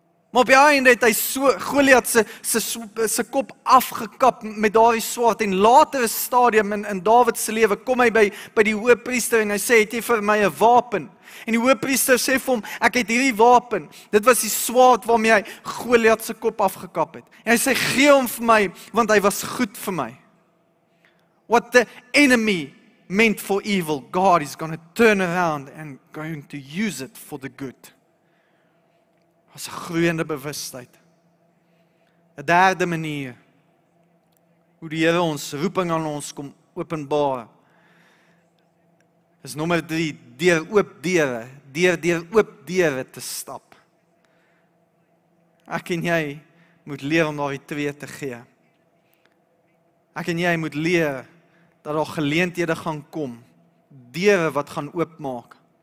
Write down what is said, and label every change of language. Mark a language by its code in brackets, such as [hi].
[af] Maar op die einde het hy so Goliat se kop afgekap met daardie swaard en later 'n stadium in Dawid se lewe kom hy by die hoëpriester en hy sê, "Het jy vir my 'n wapen?" En die hoëpriester sê vir hom, "Ek het hierdie wapen." Dit was die swaard waarmee hy Goliat se kop afgekap het. En hy sê, "Gee hom vir my want hy was goed vir my." [en] What the enemy meant for evil, God is going to turn around and going to use it for the good. [af] As 'n groeiende bewustheid. 'N derde manier hoe die Here ons roeping aan ons kom openbaar. Is nommer 3, deur oop deure, deur oop deure te stap. Ek en jy moet leer om daai twee te gee. Ek en jy moet leer dat daar geleenthede gaan kom, deure wat gaan oopmaak.